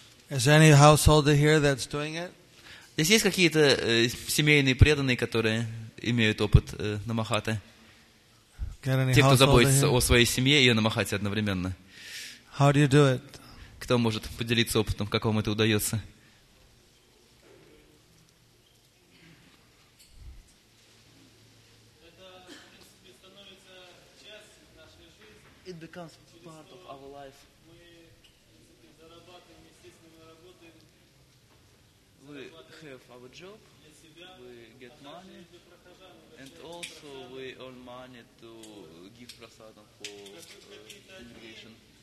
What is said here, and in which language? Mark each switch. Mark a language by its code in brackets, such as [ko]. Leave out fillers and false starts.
[en] Is there any householder here that's doing it? [ru] Здесь есть какие-то семейные преданные, которые имеют опыт намахаты? Те, кто заботится о своей семье и о намахате одновременно. [en] How do you do it? [ru] Кто может поделиться опытом, как вам это удается? Это, в принципе, становится часть нашей жизни. [en] It becomes part of our life. [ru] Мы, в принципе, зарабатываем, естественно, мы работаем. [en] Have our job, we get money, and also we earn money to give prasadam for congregation.